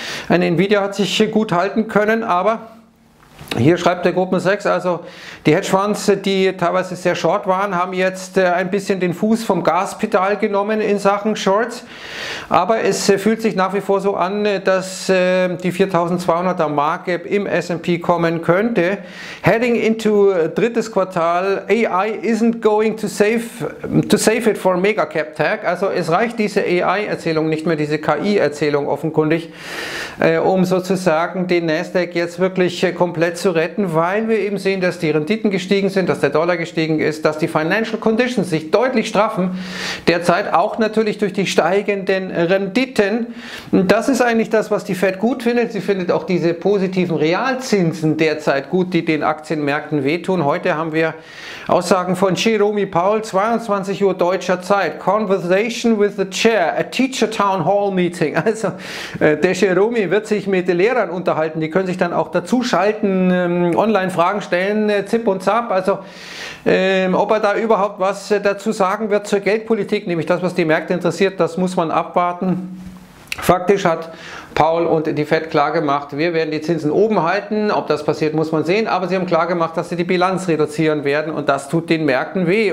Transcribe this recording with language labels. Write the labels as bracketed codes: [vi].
[de] Eine Nvidia hat sich gut halten können, aber hier schreibt der Goldman Sachs, also die Hedgefonds, die teilweise sehr short waren, haben jetzt ein bisschen den Fuß vom Gaspedal genommen in Sachen Shorts. Aber es fühlt sich nach wie vor so an, dass die 4200er Marke im S&P kommen könnte. [en] Heading into [de] drittes Quartal, [en] AI isn't going to save it for mega cap tech. [de] Also es reicht diese AI-Erzählung nicht mehr, diese KI-Erzählung offenkundig, um sozusagen den Nasdaq jetzt wirklich komplett zu retten, weil wir eben sehen, dass die Renditen gestiegen sind, dass der Dollar gestiegen ist, dass die Financial Conditions sich deutlich straffen, derzeit auch natürlich durch die steigenden Renditen. Das ist eigentlich das, was die Fed gut findet. Sie findet auch diese positiven Realzinsen derzeit gut, die den Aktienmärkten wehtun. Heute haben wir Aussagen von Jerome Powell, 22 Uhr deutscher Zeit. [en] Conversation with the Chair, a teacher town hall meeting. [de] Also der Jerome wird sich mit den Lehrern unterhalten, die können sich dann auch dazu schalten, Online-Fragen stellen, zipp und zapp, also ob er da überhaupt was dazu sagen wird zur Geldpolitik, nämlich das, was die Märkte interessiert, das muss man abwarten. Faktisch hat Paul und die Fed klar gemacht, wir werden die Zinsen oben halten, ob das passiert, muss man sehen, aber sie haben klar gemacht, dass sie die Bilanz reduzieren werden, und das tut den Märkten weh.